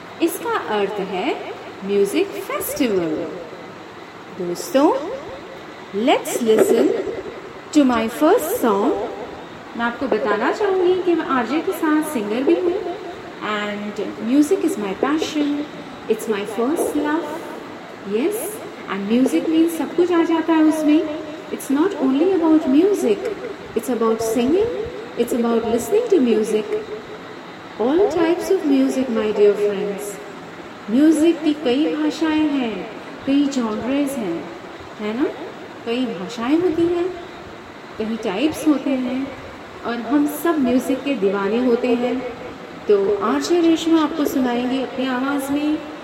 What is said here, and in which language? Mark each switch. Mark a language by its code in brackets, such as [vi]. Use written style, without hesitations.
[hi] इसका अर्थ है music festival. दोस्तों, [en] Let's listen to my first song. [hi] मैं आपको बताना चाहूंगी कि मैं आरजे के साथ सिंगर भी हूँ [en] And music is my passion, it's my first love. [hi] Yes, and music में सब कुछ आ जाता है उसमें. [en] It's not only about music, it's about singing, it's about listening to music, all types of music, my dear friends. [hi] Music की कई भाषाएं हैं, कई genres हैं, है ना. कई भाषाएं होती हैं, कई types होते हैं, और हम सब music के दीवाने होते हैं. तो आज ये रेशमा आपको सुनाएंगी अपनी आवाज में.